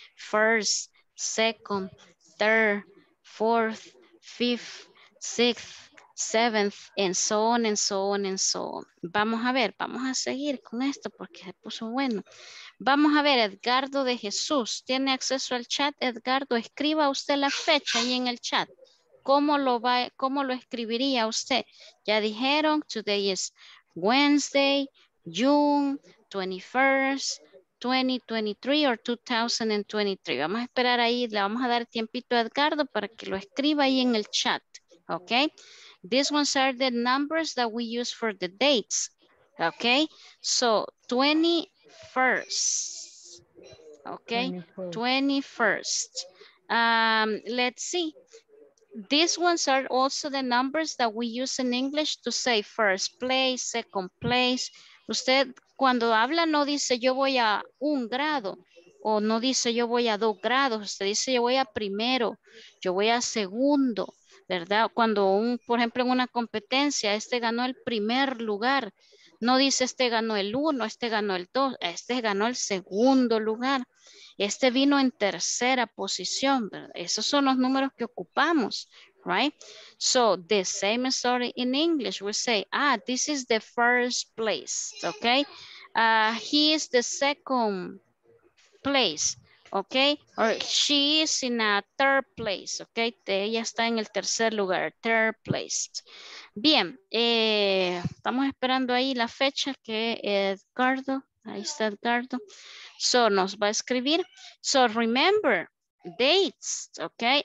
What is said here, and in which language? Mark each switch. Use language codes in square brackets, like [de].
[en] First, second, third, fourth, fifth, sixth, seventh, and so on, and so on, and so on. [es] Vamos a ver, vamos a seguir con esto porque se puso bueno. Vamos a ver, Edgardo de Jesús, ¿tiene acceso al chat? Edgardo, escriba usted la fecha ahí en el chat. ¿Cómo lo escribiría usted? Ya dijeron, [en] today is... Wednesday, June 21st, 2023 or 2023. [es] Vamos a esperar ahí, le vamos a dar tiempito a Edgardo para que lo escriba ahí en el chat, okay? [en] These ones are the numbers that we use for the dates, okay? So, 21st, okay? 21st. Let's see. These ones are also the numbers that we use in English to say first place, second place. [es] Usted cuando habla no dice yo voy a un grado o no dice yo voy a dos grados. Usted dice yo voy a primero, yo voy a segundo, ¿verdad? Cuando por ejemplo, en una competencia, este ganó el primer lugar. No dice este ganó el uno, este ganó el dos, este ganó el segundo lugar. Este vino en tercera posición, ¿verdad? Esos son los números que ocupamos, right? [en] So, the same story in English. We say, ah, this is the first place, okay? He is the second place. okay? Or she is in a third place, okay? [es] Ella está en el tercer lugar, [en] third place. [es] Bien, estamos esperando ahí la fecha que Edgardo, ahí está Edgardo. [en] So, [es] nos va a escribir. [en] So, remember, dates, okay?